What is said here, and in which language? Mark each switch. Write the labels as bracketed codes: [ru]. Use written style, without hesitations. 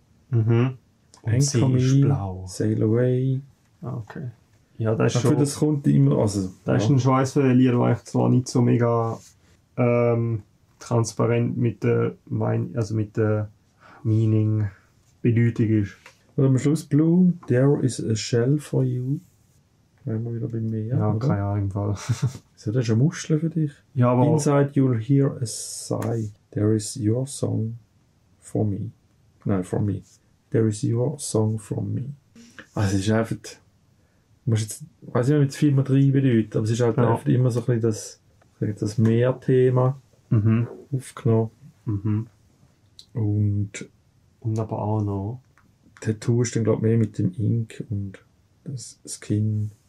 [de] Mhm. Und see ist blau. [en] Sail away. [de] Okay. Ja, das ist schon... Das kommt immer, also... Das ist ein Scheiß für den Lied, der eigentlich zwar nicht so mega transparent mit der Meaning, Bedeutung ist. Und am Schluss, [en] Blue, there is a shell for you. [de] Wenn wir wieder beim Meer, ja, oder? Keine Ahnung, im Fall. So, das ist eine Muschel für dich. Ja, aber... [en] Inside you'll hear a sigh. There is your song for me. Nein, for me. There is your song for me. [de] Also, es ist einfach... Ich weiß nicht, ob es viel mehr drei bedeutet, aber es ist halt oft immer so ein bisschen das Meer-Thema aufgenommen. Mhm. Und aber auch noch. Tattoo ist dann, glaube ich, mehr mit dem Ink und das Skin.